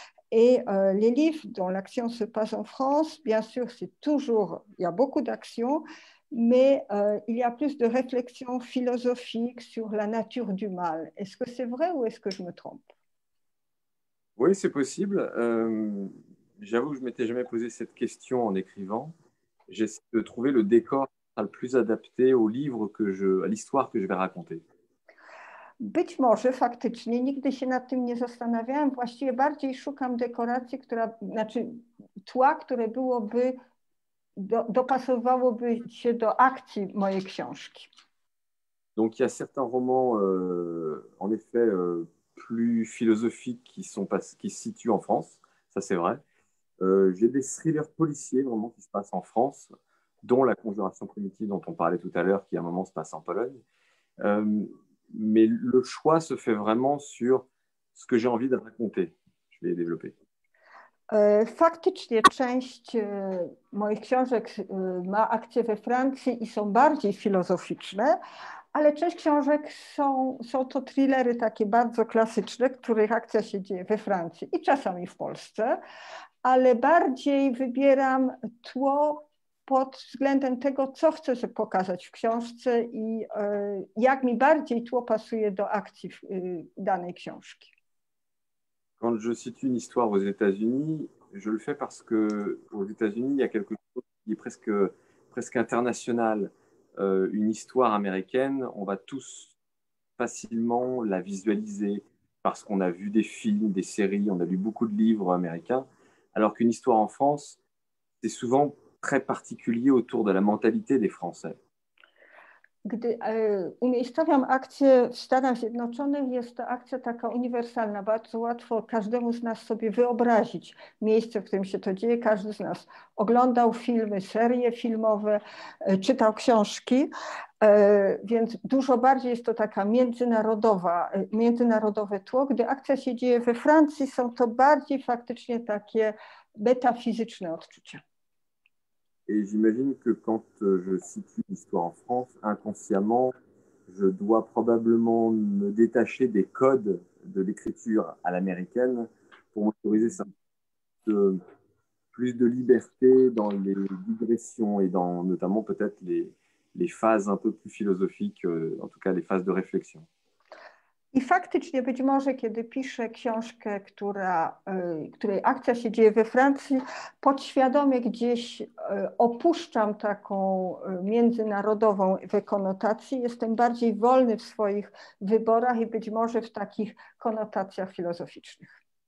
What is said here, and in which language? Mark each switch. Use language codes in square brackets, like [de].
[fr] Et les livres dont l'action se passe en France, bien sûr, c'est toujours, il y a beaucoup d'action, mais il y a plus de réflexion philosophique sur la nature du mal. Est-ce que c'est vrai ou est-ce que je me trompe? Oui, c'est possible. J'avoue que je ne m'étais jamais posé cette question en écrivant. J'essaie de trouver le décor qui sera le plus adapté au livre que je, à l'histoire que je vais raconter. [pl] Być może faktycznie, nigdy się nad tym nie zastanawiałem. Właściwie bardziej szukam dekoracji, która, znaczy tła, które byłoby, dopasowałoby się do akcji mojej książki. [fr] Donc, il y a certains romans, en effet. Plus philosophiques qui se situent en France, ça c'est vrai. J'ai des thrillers policiers vraiment qui se passent en France, dont La Conjuration primitive dont on parlait tout à l'heure, qui à un moment se passe en Pologne. Mais le choix se fait vraiment sur ce que j'ai envie de raconter. Je vais développer. [pl] Faktycznie część moich książek ma akcję we Francji i są bardziej filozoficzne, ale część książek są to thrillery takie bardzo klasyczne, których akcja się dzieje we Francji i czasami w Polsce, ale bardziej wybieram tło pod względem tego, co chcę pokazać w książce i jak mi bardziej tło pasuje do akcji danej książki. [fr] Quand je situe une histoire aux États-Unis, je le fais parce que aux États-Unis, il y a quelque chose qui est presque international. Une histoire américaine, on va tous facilement la visualiser parce qu'on a vu des films, des séries, on a lu beaucoup de livres américains. Alors qu'une histoire en France, c'est souvent très particulier autour de la mentalité des Français. [pl] Gdy umiejscowiam akcję w Stanach Zjednoczonych, jest to akcja taka uniwersalna. Bardzo łatwo każdemu z nas sobie wyobrazić miejsce, w którym się to dzieje. Każdy z nas oglądał filmy, serie filmowe, czytał książki, więc dużo bardziej jest to taka międzynarodowe tło. Gdy akcja się dzieje we Francji, są to bardziej faktycznie takie metafizyczne odczucia. [fr] Et j'imagine que quand je situe l'histoire en France, inconsciemment, je dois probablement me détacher des codes de l'écriture à l'américaine pour m'autoriser ça, plus de liberté dans les digressions et dans notamment peut-être les phases un peu plus philosophiques, en tout cas les phases de réflexion. [pl] I faktycznie być może, kiedy piszę książkę, której akcja się dzieje we Francji, podświadomie gdzieś opuszczam taką międzynarodową konotację. Jestem bardziej wolny w swoich wyborach i być może w takich konotacjach filozoficznych.